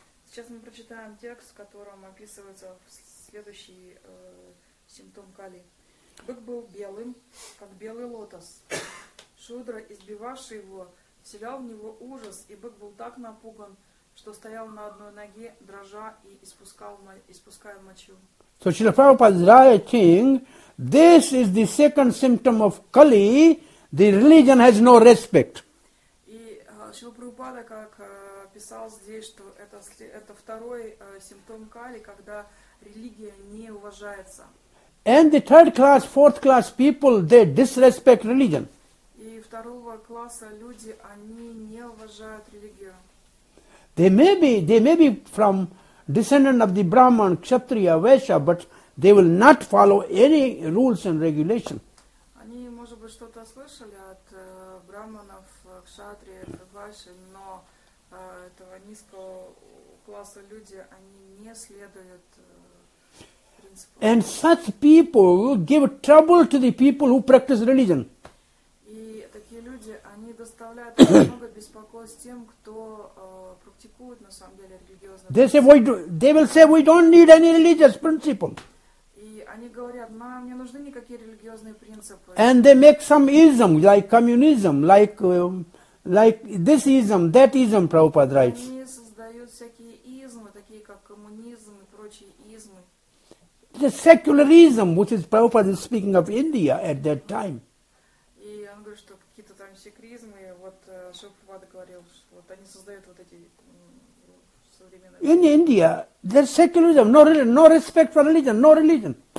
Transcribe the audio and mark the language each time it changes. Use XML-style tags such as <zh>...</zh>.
<ru>Сейчас мы прочитаем текст, в котором описывается следующий симптом Кали. Бык был белым, как белый лотос. Шудра, избивавший его, вселял в него ужас, и бык был так напуган, что стоял на одной ноге, дрожа и испуская мочу.</ru> <en>So, Srila Prabhupada is writing, this is the second symptom of Kali. The religion has no respect.</en> <ru>И Шрила Прабхупада как писал здесь, что это второй симптом Кали, когда религия не уважается.</ru> <en>And the third class, fourth class people, they disrespect religion.</en> <ru>И второго класса люди, они не уважают религию.</ru> <en>They may be from descendant of the Brahman, Kshatriya, Vaishya, but they will not follow any rules and regulation.</en> <ru>Вы что-то слышали от браманов, кшатрии, ваши, но этого низкого класса люди, они не следуют принципам.</ru> <en>And such people give trouble to the people who practice religion.</en> <ru>И такие люди, они доставляют много беспокойств тем, кто практикует на самом деле религиозные принципы.</ru> <en>They will say, we don't need any religious principle.</en> <ru>Они говорят, нам не нужны никакие религиозные принципы.</ru> <en>And they make some ism, like communism, like this ism, that ism, Prabhupada writes.</en> <ru>Они создают всякие измы, такие как коммунизм и прочие измы.</ru> <en>The secularism, which is Prabhupada is speaking of India at that time.</en> <ru>И он говорит, что какие-то там секризмы, вот Шрила Прабхупада говорил, что вот они создают вот эти современные...</ru> <en>In India, there's secularism, no religion, no respect for religion, no religion.</en>